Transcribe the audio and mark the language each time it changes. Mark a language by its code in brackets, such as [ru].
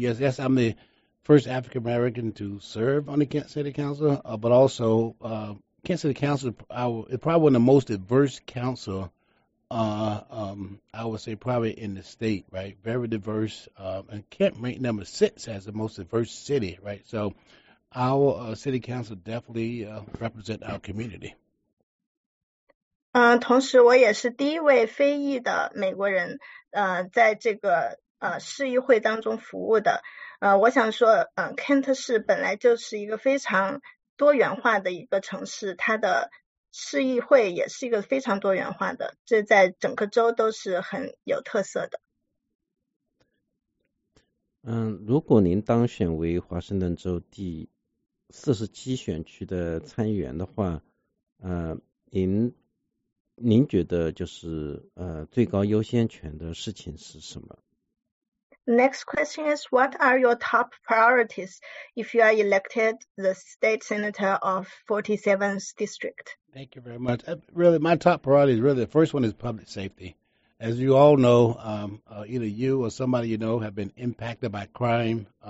[en] Yes, I'm the first African American to serve on the Kent City Council, but also Kent City Council is probably one of the most diverse council, I would say probably in the state, right? Very diverse, and Kent ranked number 6 as the most diverse city, right? So our city council definitely represent our community. [zh] 同时我也是第一位非裔的美国人在这个市议会当中服务的。我想说Kent 市本来就是一个非常多元化的一个城市，它的市议会也是一个非常多元化的，这在整个州都是很有特色的。如果您当选为华盛顿州第47选区的参议员的话，您觉得就是最高优先权的事情是什么？ [en] Next question is, what are your top priorities if you are elected the state senator of 47th district? Thank you very much. Really, my top priority is really the first one is public safety. As you all know, either you or somebody you know have been impacted by crime.